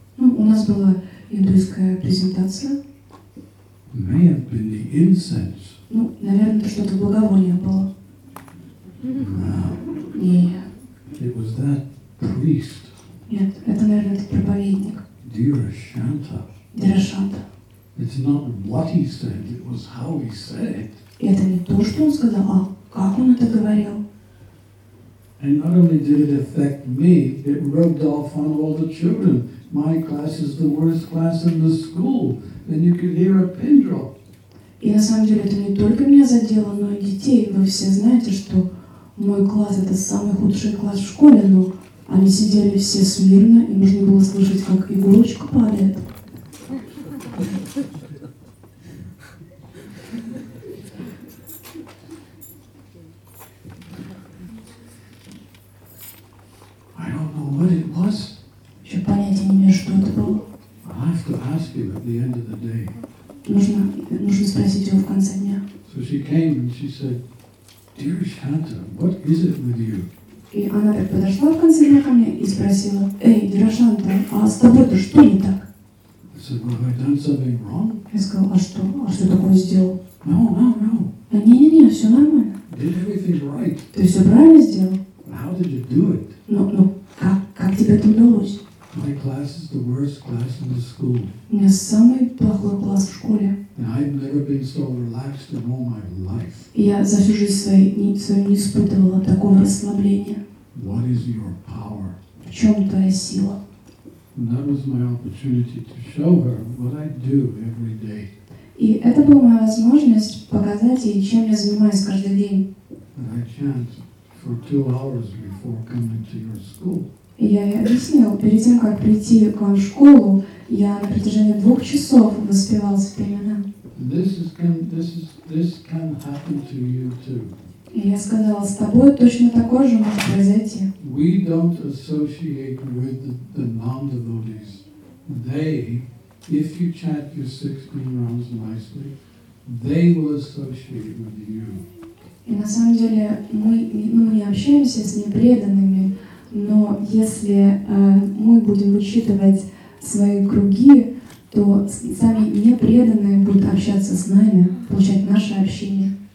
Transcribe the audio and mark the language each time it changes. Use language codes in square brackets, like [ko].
[ru] Ну, у нас была индуистская презентация. [en] May have been the incense. [ru] Ну, наверное, это что-то благовоние было. [en] No. [ru] Нет. [en] It was that priest. [ru] Нет, это, наверное, этот проповедник. Дирашанта. Дирашанта. [en] It's not what he said, it was how he said it. [ru] Это не то, что он сказал, а как он это говорил. [en] And not only did it affect me, it rubbed off on all the children. My class is the worst class in the school. And you could hear a pin drop. [ru] И на самом деле это не только меня задело, но и детей. Вы все знаете, что мой класс — это самый худший класс в школе, но Они сидели все смирно, и можно было слышать, как иголочка падает. [en] I don't know what it was. [ru] Еще понятия не имею, что это было. [en] I have to ask you at the end of the day. [ru] Нужно спросить его в конце дня. [en] So she came and she said, "Dear Shanta, what is it with you?" [ru] И она так подошла в конце дня ко мне и спросила: "Эй, Дирашанта, а с тобой-то что не так?" [en] I said, "Well, have I done something wrong?" [ru] Я сказал: "А что такое сделал?" [en] No. [ru] Не, все нормально. [en] Did everything right? [ru] Ты все правильно сделал. [en] How did you do it? [ru] Ну, как тебе это удалось? [en] My class is the worst class in the school. [ru] У меня самый плохой класс в школе. [en] And I've never been so relaxed in all my life. [ru] Я за всю жизнь свою не испытывала такого расслабления. [en] What is your power? [ru] В чем твоя сила? [en] And that was my opportunity to show her what I do every day. [ru] И это была моя возможность показать ей, чем я занимаюсь каждый день. [en] And I chant for 2 hours before coming to your school. [ru] Я ей объяснил, перед тем, как прийти к вам в школу, я на протяжении 2 часов воспевал имена. [en] This can happen to you too. [ru] И я сказала, с тобой точно такое же может произойти. [en] We don't associate with the non-devotees. They, if you chant your 16 rounds nicely, they will associate with you. [ru] И на самом деле мы не общаемся с непреданными. Но если мы будем учитывать свои круги, то сами непреданные будут общаться с нами, получать наше общение.